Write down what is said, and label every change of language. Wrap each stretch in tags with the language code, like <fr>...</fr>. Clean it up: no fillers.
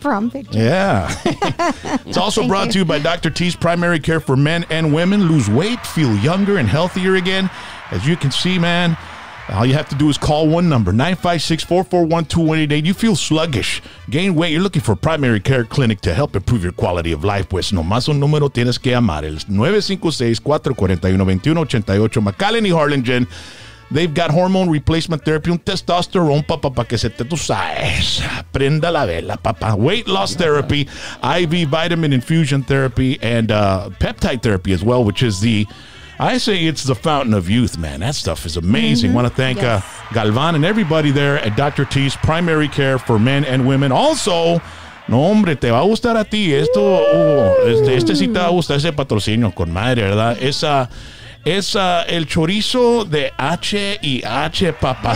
<en>Prom picture. Yeah. It's also brought to you by Dr. T's Primary Care for Men and Women. Lose weight, feel younger and healthier again. As you can see, man. All you have to do is call one number, 956-441-2188. You feel sluggish, gain weight. You're looking for a primary care clinic to help improve your quality of life.</en> <es>Pues nomás un número tienes que llamar, el 956-441-2188. McAllen y Harlingen,</es> <en>they've got hormone replacement therapy,</en> <es>un testosterone, papá, para que se te tu sabes. Prenda la vela, papá.</es> <en>Weight loss therapy, IV vitamin infusion therapy, and peptide therapy as well, which is the... I say it's the fountain of youth, man. That stuff is amazing. Mm-hmm. Want to thank Galvan and everybody there at Dr. T's Primary Care for Men and Women. Also,</en> <es>no hombre, te va a gustar a ti. Esto, este sí te va a gustar ese patrocinio con madre, ¿verdad? Esa el chorizo de H y H, papá.</es>